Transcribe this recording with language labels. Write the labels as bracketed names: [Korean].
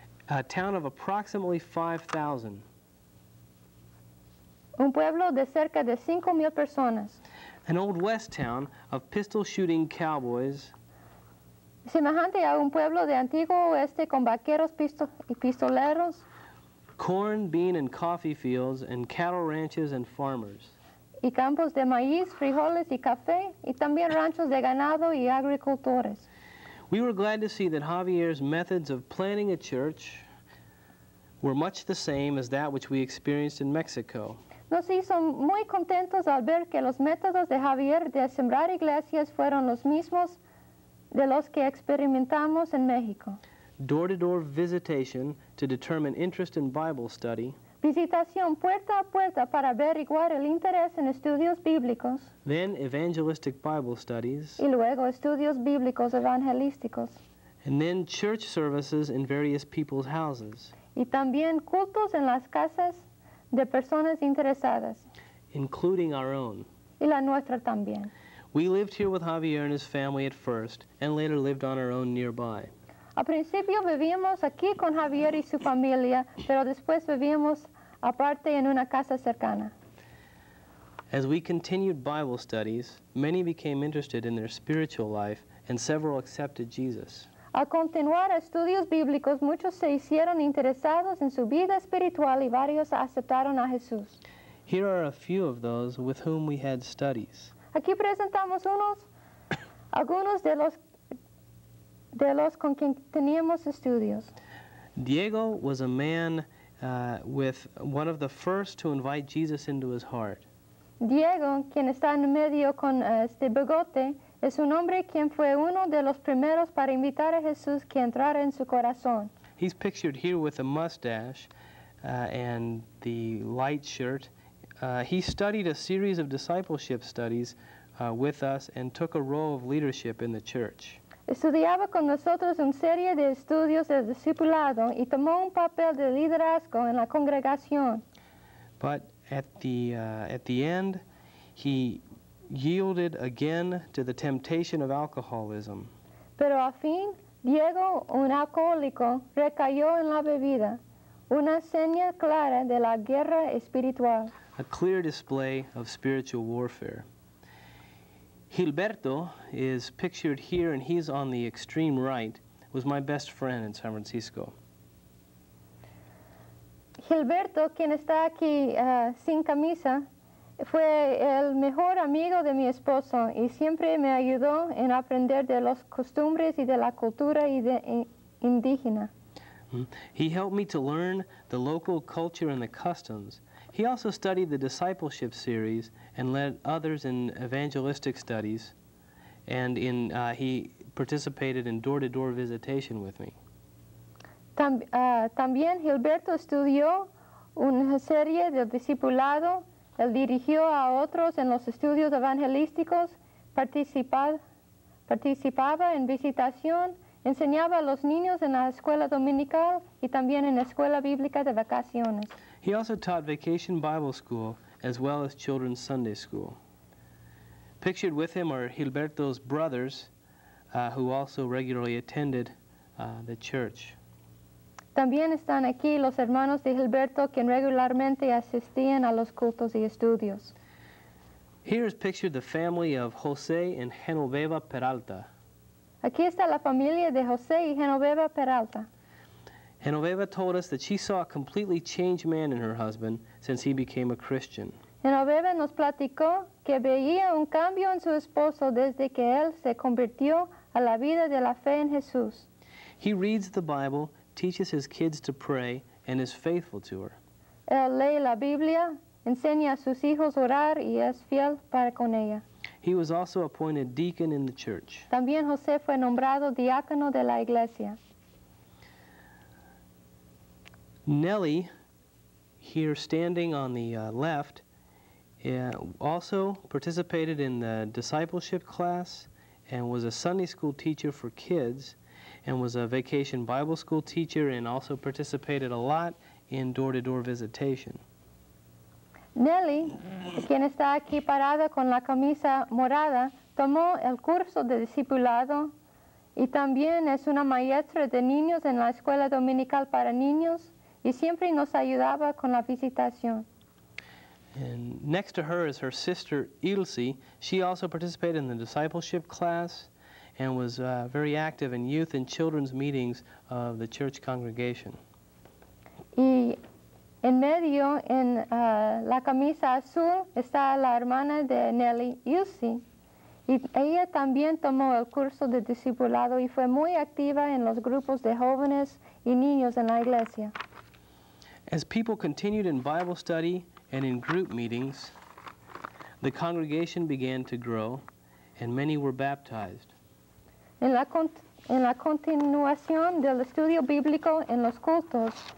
[English] A town of approximately 5,000. [Spanish] Un pueblo de cerca de 5,000 personas. [English] An old west town of pistol shooting cowboys. [Spanish] Semejante a un pueblo de antiguo oeste con vaqueros y pistoleros. [English] Corn, bean, and coffee fields, and cattle ranches and farmers. [Spanish] Y campos de maíz, frijoles y café, y también ranchos de ganado y agricultores. [English] We were glad to see that Javier's methods of planting a church were much the same as that which we experienced in Mexico. [Spanish] Nos hizo muy contentos al ver que los métodos de Javier de sembrar iglesias fueron los mismos de los que experimentamos en México. [English] Door-to-door visitation to determine interest in Bible study. [Spanish] Visitación puerta a puerta para averiguar el interés en estudios bíblicos. [English] Then evangelistic Bible studies. [Spanish] Y luego estudios bíblicos evangelísticos. [English] And then church services in various people's houses. [Spanish] Y también cultos en las casas de personas interesadas. [English] Including our own. [Spanish] Y la nuestra también. [English] We lived here with Javier and his family at first, and later lived on our own nearby. [Spanish] Al principio vivíamos aquí con Javier y su familia, pero después vivíamos aparte en una casa cercana. [English] As we continued Bible studies, many became interested in their spiritual life, and several accepted Jesus. [Spanish] Al continuar estudios bíblicos, muchos se hicieron interesados en su vida espiritual y varios aceptaron a Jesús. [English] Here are a few of those with whom we had studies. [Spanish] Aquí presentamos algunos de los con quien teníamos estudios. [English] Diego was a man with one of the first to invite Jesus into his heart. [Spanish] Diego, quien está en medio con este bigote, es un hombre quien fue uno de los primeros para invitar a Jesús que entrara en su corazón. [English] He's pictured here with a mustache and the light shirt. He studied a series of discipleship studies with us and took a role of leadership in the church. [Spanish] Estudiaba con nosotros una serie de estudios de discipulado y tomó un papel de liderazgo en la congregación. [English] But at the end, he yielded again to the temptation of alcoholism. [Spanish] Pero al fin, Diego, un alcohólico, recayó en la bebida, una seña clara de la guerra espiritual. [English] A clear display of spiritual warfare. Gilberto is pictured here, and he's on the extreme right, was my best friend in San Francisco. [Spanish] Gilberto, quien está aquí sin camisa, fue el mejor amigo de mi esposo y siempre me ayudó en aprender de las costumbres y de la cultura indígena. [English] He helped me to learn the local culture and the customs. He also studied the discipleship series and led others in evangelistic studies, and he participated in door-to-door visitation with me. [Spanish] También Gilberto estudió una serie de discipulado, él dirigió a otros en los estudios evangelísticos, participaba en visitación, enseñaba a los niños en la escuela dominical y también en la escuela bíblica de vacaciones. [English] He also taught vacation Bible school as well as children's Sunday school. Pictured with him are Gilberto's brothers, who also regularly attended the church. [Spanish] También están aquí los hermanos de Gilberto, quien regularmente asistían a los cultos y estudios. [English] Here is pictured the family of José and Genoveva Peralta. [Spanish] Aquí está la familia de José y Genoveva Peralta. [English] Genoveva told us that she saw a completely changed man in her husband since he became a Christian. [Spanish] Genoveva nos platicó que veía un cambio en su esposo desde que él se convirtió a la vida de la fe en Jesús. [English] He reads the Bible, teaches his kids to pray, and is faithful to her. [Spanish] Él lee la Biblia, enseña a sus hijos orar y es fiel para con ella. [English] He was also appointed deacon in the church. [Spanish] También José fue nombrado diácono de la iglesia. [English] Nellie, here standing on the left, also participated in the discipleship class and was a Sunday school teacher for kids and was a vacation Bible school teacher and also participated a lot in door-to-door visitation. [Spanish] Nellie, quien está aquí parada con la camisa morada, tomó el curso de discipulado y también es una maestra de niños en la escuela dominical para niños. Y siempre nos ayudaba con la visitación. [English] And next to her is her sister, Ilse. She also participated in the discipleship class and was very active in youth and children's meetings of the church congregation. [Spanish] Y en medio, en la camisa azul, está la hermana de Nelly, Ilse. Y ella también tomó el curso de discipulado y fue muy activa en los grupos de jóvenes y niños en la iglesia. [English] As people continued in Bible study and in group meetings, the congregation began to grow, and many were baptized. [Spanish] En la continuación del estudio bíblico en los cultos,